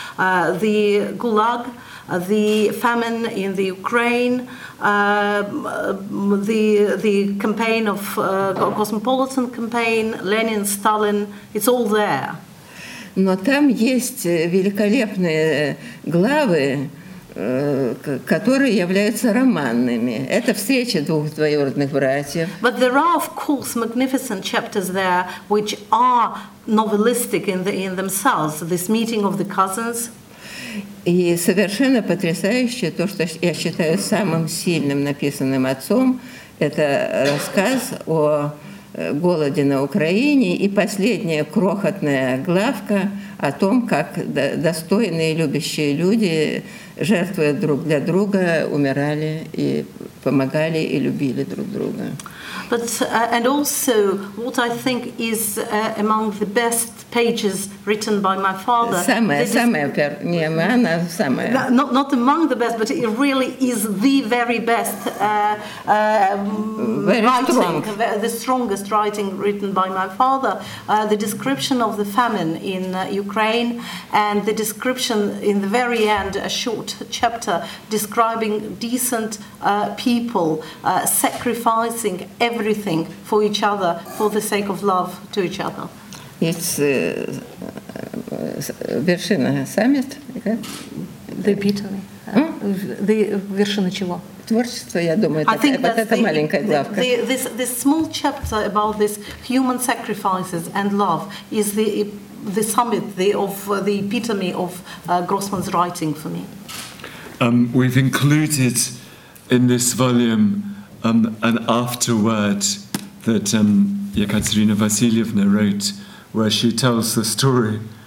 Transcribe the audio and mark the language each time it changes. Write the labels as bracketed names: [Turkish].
[English] The ГУЛАГ, the famine in the Ukraine, the campaign of cosmopolitan campaign, Lenin, Stalin, it's all there. [Russian] Но там есть великолепные главы, которые являются романными. Это встреча двух двоюродных братьев. [English] But there are, of course, magnificent chapters there which are novelistic in themselves. This meeting of the cousins. [Russian] И совершенно потрясающе то, что я считаю самым сильным написанным отцом, это рассказ о голоде на Украине и последняя крохотная главка о том, как достойные любящие люди, жертвуя друг для друга, умирали и помогали и любили друг друга. [English] But and also what I think is among the best pages written by my father. Not among the best, but it really is the very best the strongest writing written by my father. The description of the famine in Ukraine and the description in the very end, a short chapter describing decent people sacrificing everything for each other for the sake of love to each other. It's [Russian] вершина [English] саммит, the epitome. The [Russian] вершина чего? Творчество, я думаю, это маленькая главка. [English] This small chapter about this human sacrifices and love is the summit, the epitome of Grossman's writing for me. We've included in this volume an afterword that Yekaterina Vasilyevna wrote, where she tells the story